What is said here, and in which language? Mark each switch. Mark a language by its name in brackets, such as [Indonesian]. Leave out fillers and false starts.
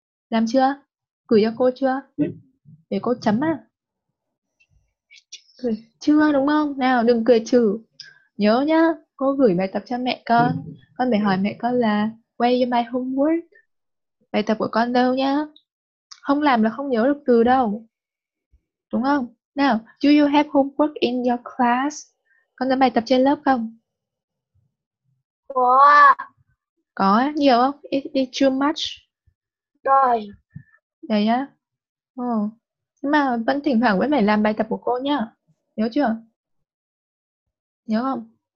[Vietnamese] Làm chưa? Gửi cho cô chưa? Để cô chấm à? Chưa đúng không? Nào đừng cười trừ. Nhớ nhá, cô gửi bài tập cho mẹ con. Con phải hỏi mẹ con là [English] where is my homework? [Vietnamese] Bài tập của con đâu nhá? Không làm là không nhớ được từ đâu. Đúng không? [English] Nào, do you have homework in your class? [Vietnamese] Con làm bài tập trên lớp không? Có. Có nhiều không? [English] It's too much. [Vietnamese] Rồi. Đấy nhá. Ồ. Nhưng mà vẫn thỉnh thoảng vẫn phải làm bài tập của cô nhá. Nhớ chưa? Nhớ không?